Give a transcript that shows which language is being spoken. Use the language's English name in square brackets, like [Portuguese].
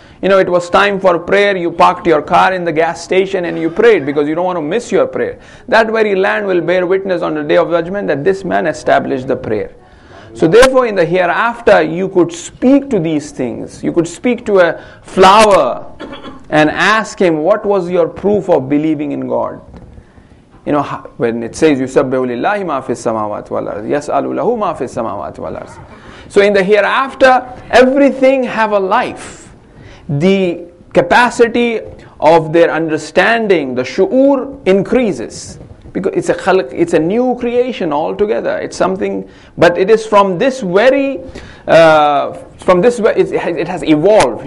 [English] You know, it was time for prayer, you parked your car in the gas station and you prayed because you don't want to miss your prayer. That very land will bear witness on the day of judgment that this man established the prayer. So therefore, in the hereafter, you could speak to these things. You could speak to a flower and ask him, what was your proof of believing in God? [Arabic] You know, when it says, يُسَبِّهُ لِلَّهِ مَا فِي السَّمَاوَاتِ وَالْأَرْضِ يَسْأَلُ لَهُ مَا فِي السَّمَاوَاتِ وَالْأَرْضِ. [English] So in the hereafter, everything have a life. The capacity of their understanding, the shu'ur, increases. Because it's a khalq, it's a new creation altogether. It's something, but it is from this very, it has evolved.